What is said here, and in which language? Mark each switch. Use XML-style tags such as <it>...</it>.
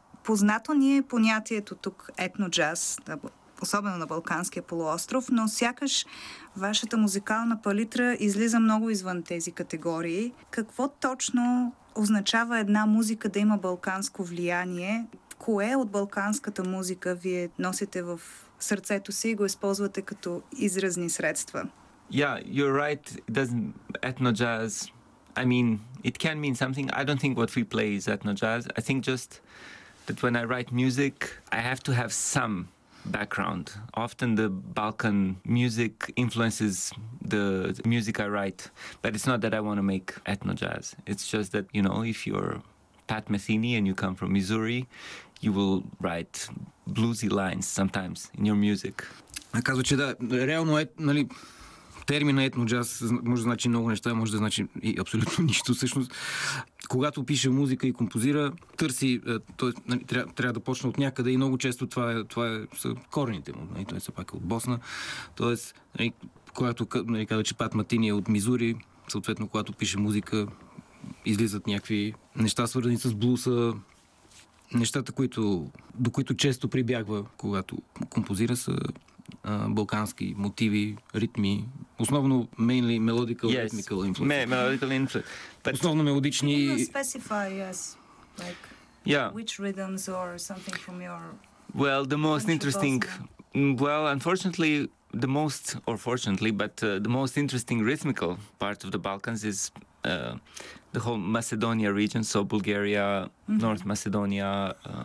<bg>Познато ни е понятието тук етно-джаз, особено на Балканския полуостров, но сякаш вашата музикална палитра излиза много извън тези категории. Какво точно означава една музика да има балканско влияние? Кое от балканската музика вие носите в сърцето си и го използвате като изразни средства?</bg> <en>Yeah, you're right. It doesn't ethno jazz. I mean, it can mean something. I don't think what we play is ethno jazz. I think just that when I write music, I have to have some background. Often the Balkan music influences the music I write, but it's not that I want to make ethno jazz. It's just that, you know, if you're Pat Metheny and you come from Missouri, you will write bluesy lines sometimes in your music.</en> <bg>I казва, че да, реално е, нали, термина етно джаз може да значи много неща, може да значи и абсолютно нищо всъщност. Когато пише музика и композира, търси, т.е. трябва да почне от някъде, и много често това са корените му. Той се пак е от Босна. Т.е. когато казва, че Пат Метхени е от Мизури, съответно, когато пише музика, излизат някакви неща, свързани с блуса, нещата, до които често прибягва, когато композира, са балкански мотиви, ритми, основно</bg> <en>mainly melodical, yes, rhythmical influence. Melodical influence. But</en> <bg>основно мелодични...</bg> <en>Can you specify, yes, like, yeah, which rhythms or something from your... Well, the most interesting... Well, unfortunately, the most, or fortunately, but the most interesting rhythmical part of the Balkans is the whole Macedonia region, so Bulgaria, mm-hmm, North Macedonia...</en>